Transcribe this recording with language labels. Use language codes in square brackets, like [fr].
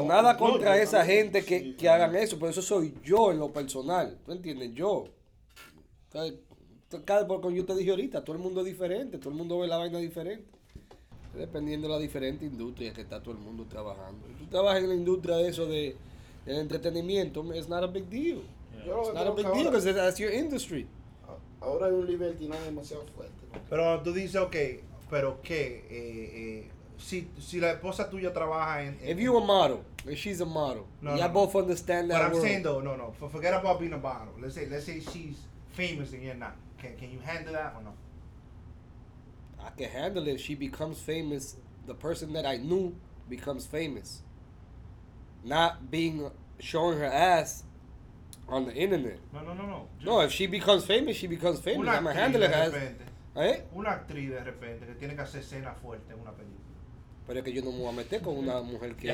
[es] No, nada contra esa gente que hagan eso. Pero eso soy yo en lo personal. ¿Tú entiendes? Yo... Porque yo te dije ahorita, todo el mundo es diferente, todo el mundo ve la vaina diferente. Dependiendo de la diferente industria que está todo el mundo trabajando. Si tú trabajas en la industria de eso, del entretenimiento, es [en] not a big deal. Yeah. It's not a big deal, because that's your industry. [es] Ahora hay un libertinaje demasiado fuerte. Pero tú dices, ok, pero qué, si la esposa tuya trabaja en... [en] If you're a model, and she's a model, you both understand that world. But I'm saying though, no, forget about being a model. Let's say she's... famous and you're not. Can you handle that or no? I can handle it. She becomes famous. The person that I knew becomes famous. Not being showing her ass on the internet. No. Just no, if she becomes famous, she becomes famous. I'm gonna handle it as. [es] Una actriz de repente que tiene que hacer escena fuerte en una película. Pero es que yo no me voy a meter con una mujer que...